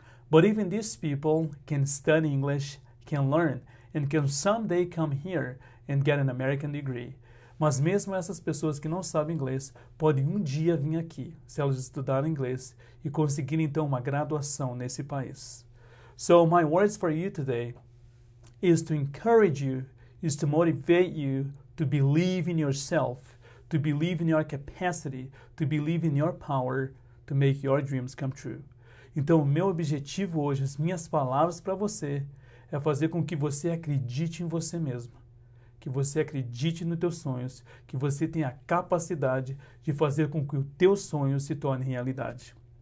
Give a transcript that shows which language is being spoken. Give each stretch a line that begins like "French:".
English: But even these people can study English, can learn, and can someday come here and get an American degree.
Portuguese: Mas mesmo essas pessoas que não sabem inglês podem um dia vir aqui, se elas estudarem inglês, e conseguirem então uma graduação nesse país.
English: So my words for you today is to encourage you, is to motivate you to believe in yourself, to believe in your capacity, to believe in your power, to make your dreams come true.
Portuguese: Então, o meu objetivo hoje, as minhas palavras para você, é fazer com que você acredite em você mesmo, que que você acredite nos teus sonhos, que você tenha a capacidade de fazer com que o teu sonho se torne realidade.